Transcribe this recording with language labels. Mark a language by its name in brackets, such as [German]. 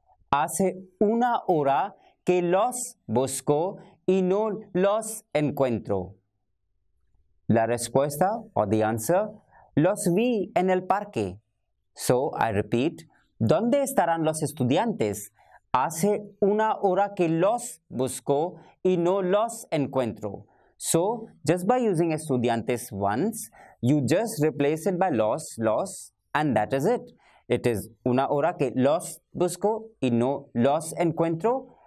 [Spanish] Hace una hora que los busco y no los encuentro. La respuesta, [English] or the answer, [Spanish] los vi en el parque. [English] So, I repeat, [Spanish] ¿dónde estarán los estudiantes? Hace una hora que los busco y no los encuentro. [English] So, just by using estudiantes once, you just replace it by los, and that is it. It is [Spanish] una hora que los busco y no los encuentro.